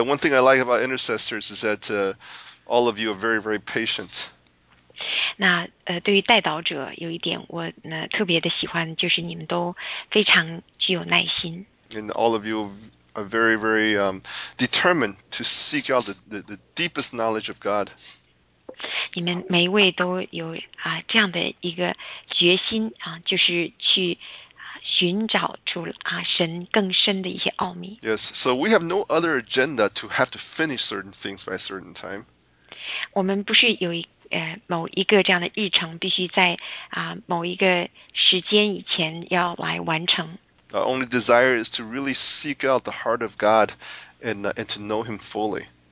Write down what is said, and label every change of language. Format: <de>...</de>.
<en>one thing I like about intercessors is that all of you are very, very patient.</en> <zh>那对于代祷者有一点我特别的喜欢，就是你们都非常具有耐心。</zh> <en>And all of you are very, very determined to seek out the deepest knowledge of God.</en> <zh>你们每一位都有这样的一个决心，就是去寻找出神更深的一些奥秘。</zh> <en>Yes, so we have no other agenda to have to finish certain things by a certain time.</en> <zh>我们不是有某一个这样的议程必须在某一个时间以前要来完成。</zh> <en>Our only desire is to really seek out the heart of God and to know Him fully.</en>